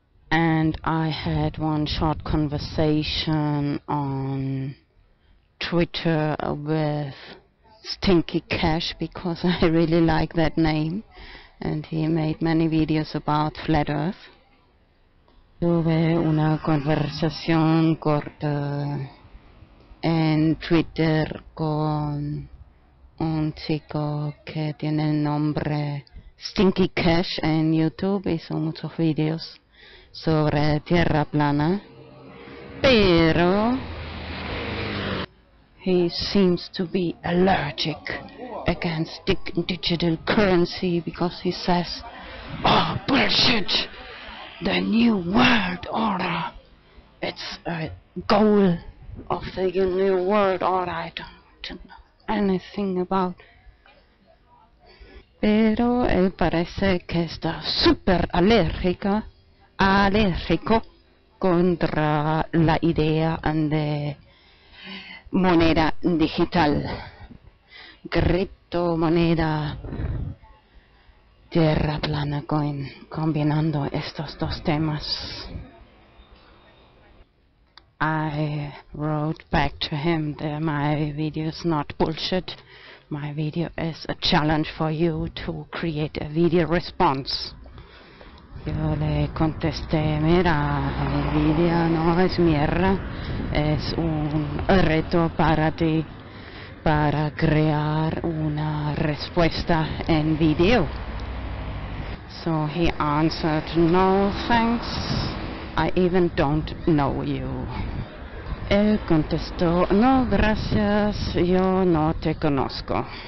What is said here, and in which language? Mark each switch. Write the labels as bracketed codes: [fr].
[en] And I had one short conversation on Twitter with Stinky Cash, because I really like that name. And he made many videos about flat earth. [es] Tuve una conversación corta en Twitter con un chico que tiene el nombre Stinky Cash en YouTube. Hizo muchos videos sobre tierra plana, pero [en] he seems to be allergic against digital currency because he says, "Oh, bullshit! The new world order! It's a goal of the new world order. I don't know anything about." [es] Pero él parece que está super alérgico contra la idea de moneda digital, criptomoneda, tierra plana coin, combinando estos dos temas. [en] I wrote back to him that my video is not bullshit. My video is a challenge for you to create a video response. [es] Yo le contesté, mira, el video no es mierda, es un reto para ti para crear una respuesta en video. [en] So he answered, no thanks, I even don't know you. [es] Él contestó, no gracias, yo no te conozco.